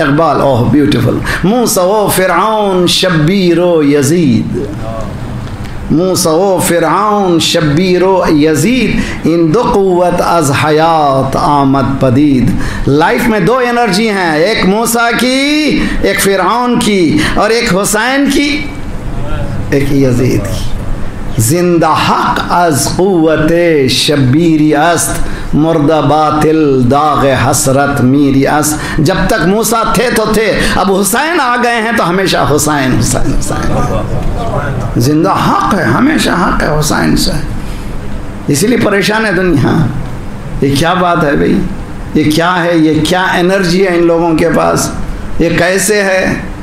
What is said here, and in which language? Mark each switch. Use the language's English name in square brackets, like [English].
[Persian] اقبال, [English] oh beautiful, [Persian] موسیٰ و فرعون شبیر و یزید, موسیٰ و فرعون شبیر و یزید, ان دو قوت از حیات آمد پدید. [Urdu] لائف میں دو انرجی ہیں, ایک موسیٰ کی, ایک فرعون کی, اور ایک حسین کی, ایک یزید کی. [Persian] زندہ حق از قوت شبیری است, مردہ باطل داغ حسرت میری است. [Urdu] جب تک موسیٰ تھے تو تھے, اب حسین آ گئے ہیں تو ہمیشہ حسین حسین حسین. زندہ حق ہے, ہمیشہ حق ہے حسین سے. اسی لیے پریشان ہے دنیا. ہاں یہ کیا بات ہے بھائی, یہ کیا ہے, یہ کیا انرجی ہے ان لوگوں کے پاس, یہ کیسے ہے.